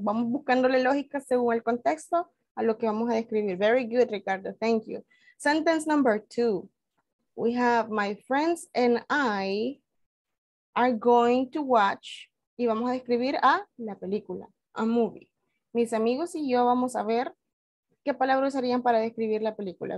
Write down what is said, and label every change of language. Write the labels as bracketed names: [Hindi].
[Spanish] Vamos buscándole lógica según el contexto a lo que vamos a describir. [English] Very good, Ricardo. Thank you. Sentence number two. We have my friends and I are going to watch. [Spanish] Y vamos a describir a la película, a movie. Mis amigos y yo vamos a ver qué palabras usarían para describir la película.